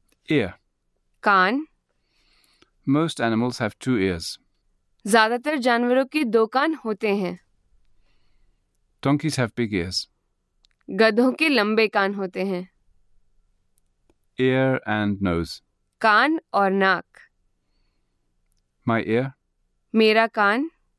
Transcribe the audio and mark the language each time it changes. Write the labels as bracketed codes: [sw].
[en] Ear. [hi] Can't. [en] Most animals have two ears. [hi] ज्यादातर जानवरों के दो कान होते हैं. [en] Donkeys have big ears. [hi] गधों के लंबे कान होते हैं. [en] Ear and nose. [hi] कान और नाक. [en] My ear. [hi] मेरा कान.